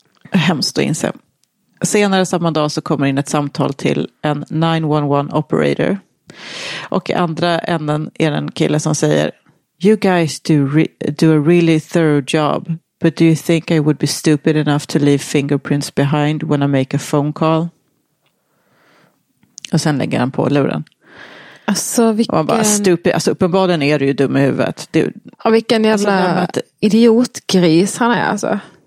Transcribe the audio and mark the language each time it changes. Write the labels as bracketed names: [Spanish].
[Swedish] Hemskt att inse. Senare samma dag så kommer in ett samtal till en 911 operator. Och i andra änden är det en kille som säger, [English] You guys do a really thorough job. But do you think I would be stupid enough to leave fingerprints behind when I make a phone call? [Swedish] Och sen lägger han på luren. Alltså vilken... Och bara, stupid. Alltså uppenbarligen är du ju dum i huvudet. Du... Ja, vilken jävla alltså, idiotgris han är alltså.